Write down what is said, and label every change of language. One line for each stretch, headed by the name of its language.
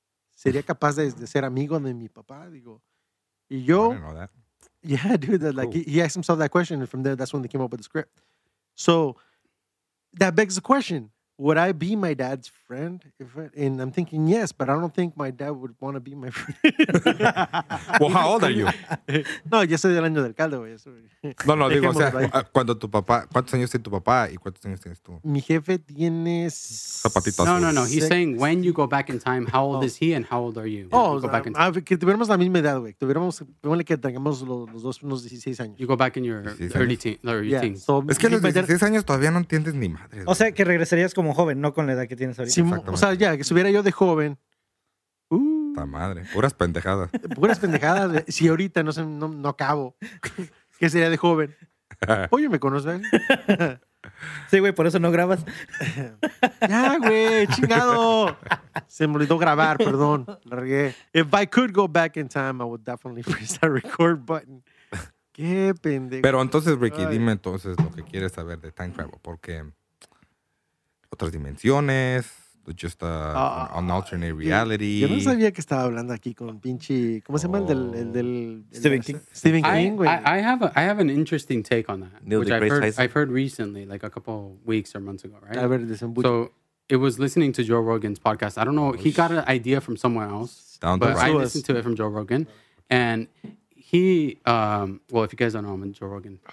Spanish: ¿Sería capaz de ser amigo de mi papá? Digo, y yo.
English: I didn't know that. Yeah, dude. Like he asked himself that question, and from there, that's when they came up with the script. So that begs the question: would I be my dad's friend? And I'm thinking yes, but I don't think my dad would want to be my friend. Well, how old are you?
Spanish: No, yo soy del año del caldo, güey. No, no. Digo, o sea, cuando tu papá, ¿cuántos años tiene tu papá y cuántos años tienes tú? Mi jefe tiene zapatitos. No.
English: He's saying when you go back in time, how old is he and how old are you? Oh, you go back in time.
Spanish: Que tuviéramos la misma edad, güey. Tuviéramos, ponle que tengamos los dos unos 16 años.
English: You go back in your early teens.
Spanish: So, es que los 16 años todavía no entiendes ni madre. O sea, que regresarías como joven, no con la edad que tienes ahorita. Sí, o sea, ya, que subiera yo de joven. Ta madre. Puras pendejadas. Puras pendejadas. Si ahorita no acabo, ¿qué sería de joven? Oye, ¿me conoces? Sí, güey, por eso no grabas. Ya, güey, chingado. Se me olvidó grabar, perdón. Largué.
English: If I could go back in time, I would definitely press that record button.
Spanish: Qué pendejo. Pero entonces, Ricky, dime entonces lo que quieres saber de Time Travel. Porque otras dimensiones...
English: just an alternate reality.
Spanish: Yo no sabía que estaba hablando aquí con pinche, ¿cómo se llama el del
English: Stephen King? Stephen King. I have an interesting take on that, which I've heard recently, like a couple of weeks or months ago, right?
Spanish: A ver, desembucha.
English: So it was listening to Joe Rogan's podcast. I don't know. He got an idea from somewhere else, I listened to it from Joe Rogan, and he, well, if you guys don't know, I'm a Joe Rogan.